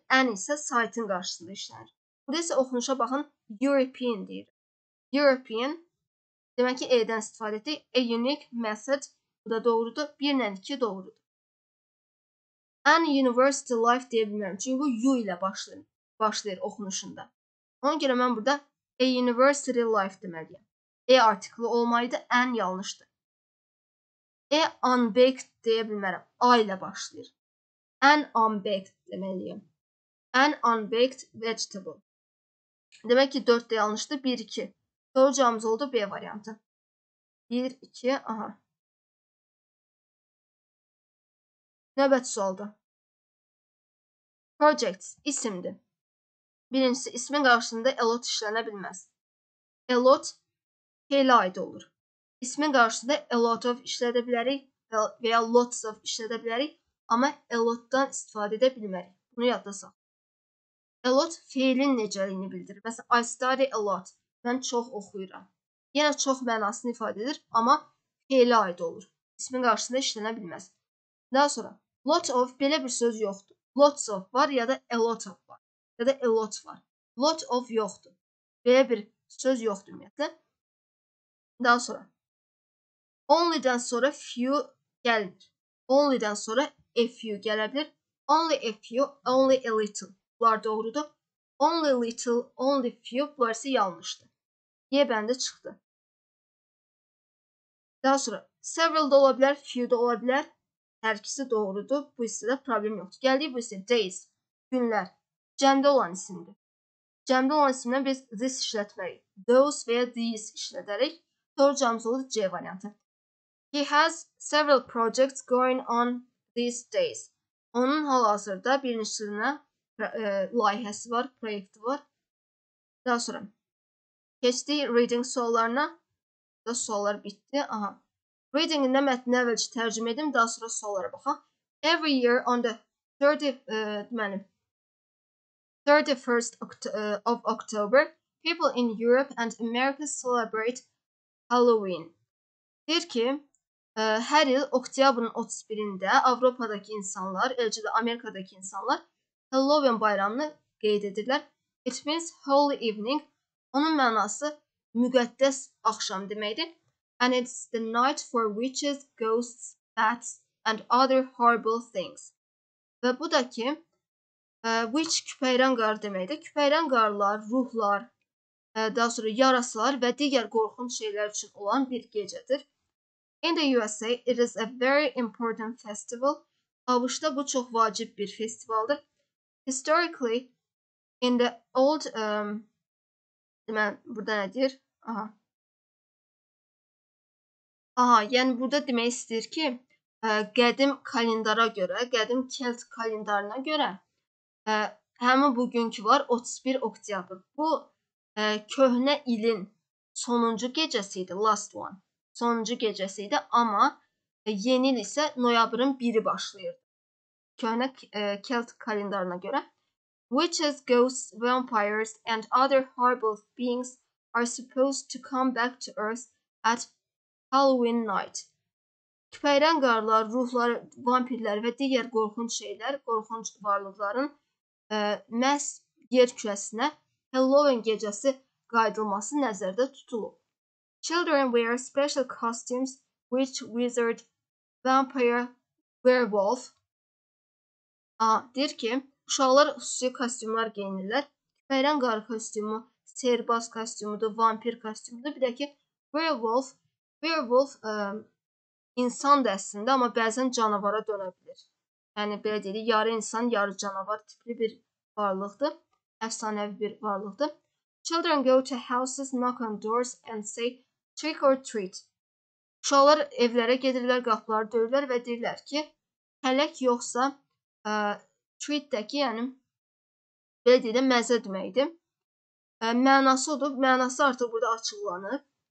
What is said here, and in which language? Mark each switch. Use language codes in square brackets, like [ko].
[az] N isə site-in qarşısında işlənir. Burada isə oxunuşa baxın. European deyir. European. Demək ki, E-dən istifadə etdik. [en] A unique method. [az] Bu da doğrudur. 1 ilə 2 doğrudur. An university life deyə bilmirəm. Çünki bu U ilə başlayır oxunuşunda. Ona görə mən burada a university life deməliyəm. A artiklı olmalıydı, an yanlışdır. A unbaked deyə bilmirəm. A ilə başlayır. An unbaked deməliyəm. An unbaked vegetable. Demək ki, 4 də yanlışdır. 1-2. Doğru cavabımız oldu B variantı. 1-2. Aha. Növbəti sualda. Projects isimdir. Birincisi, ismin qarşısında a lot işlənə bilməz. A lot heylə aid olur. İsmin qarşısında a lot of işlədə bilərik və ya lots of işlədə bilərik, amma a lot-dan istifadə edə bilmərik. Bunu yadda sal. A lot feilin necəliyini bildirir. Məsələn, [en] I study a lot. [az] Mən çox oxuyuram. Yenə çox mənasını ifadə edir, amma heylə aid olur. İsmin qarşısında işlənə bilməz. Daha sonra, lot of belə bir söz yoxdur. Lots of var ya da a lot of var. Ya da a lot var. Lot of yoxdur. Belə bir söz yoxdur ümumiyyətlə. Daha sonra. Only-dən sonra few gəlir. Only-dən sonra a few gələ bilir. [en] Only a few, only a little. [az] Bunlar doğrudur. [en] Only little, only few. [az] Bunlar isə yanlışdır. Y bəndə çıxdı. Daha sonra. Several də ola bilər, few də ola bilər. Hər ikisi doğrudur. Bu hissədə problem yoxdur. Gəldiyi bu hissə days, günlər, cəmdə olan isimdir. Cəmdə olan isimdən biz this işlətməliyik. Those və ya these işlədərik. Doğru cavabımız olur C variantı. [en] He has several projects going on these days. [az] Onun hal-hazırda birincisinə layihəsi var, proyekti var. Daha sonra keçdiyi reading suallarına da suallar bitdi. Aha. Reading-ində mətni əvvəlcə tərcümə edim, daha sonra suallara baxaq. [en] Every year on the 31st of October, people in Europe and America celebrate Halloween. [az] Deyir ki, hər il oktyabrın 31-də Avropadakı insanlar, eləcə də Amerikadakı insanlar Halloween bayramını qeyd edirlər. [en] It means holy evening. [az] Onun mənası müqəddəs axşam deməkdir. [en] And it's the night for witches, ghosts, bats, and other horrible things. [az] Və bu da ki, witch küpəyran qar deməkdir. Küpəyran qarlar, ruhlar, daha sonra yarasalar və digər qorxunç şeylər üçün olan bir gecədir. [en] In the USA, it is a very important festival. [az] ABŞ-da bu çox vacib bir festivaldır. [en] Historically, in the old, [az] burada nə deyir? Aha. Aha, yəni burada demək istəyir ki, qədim kalendara görə, qədim Kelt kalendarına görə həmin bugünkü var 31 oktyabr. Bu köhnə ilin sonuncu gecəsiydi, [en] last one. [az] Sonuncu gecəsiydi, amma yeni il isə noyabrın 1-i başlayırdı. Köhnə Kelt kalendarına görə. [en] Witches, ghosts, vampires and other horrible beings are supposed to come back to earth at Halloween night. [az] Küpəyrən qarlar, ruhlar, vampirlər və digər qorxunç şeylər, qorxunç varlıqların məhz yer kürəsinə Halloween gecəsi qayıdılması nəzərdə tutulub. [en] Children wear special costumes, witch, wizard, vampire, werewolf. [az] A, deyir ki, uşaqlar xüsusi kostyumlar geyinirlər. Küpəyrən qarı kostyumu, sehrbaz kostyumudur, vampir kostyumudur. Bir də ki, werewolf, insan da əslində, amma bəzən canavara dönə bilir. Yəni, belə deyirik, yarı insan, yarı canavar tipli bir varlıqdır. Əfsanəvi bir varlıqdır. [en] Children go to houses, knock on doors and say trick or treat. [az] Uşaqlar evlərə gedirlər, qapıları döyürlər və deyirlər ki, kələk yoxsa treat-dəki, yəni belə deyək də məzə deməkdir. Mənası odur, mənası artıq burada açıqlanır.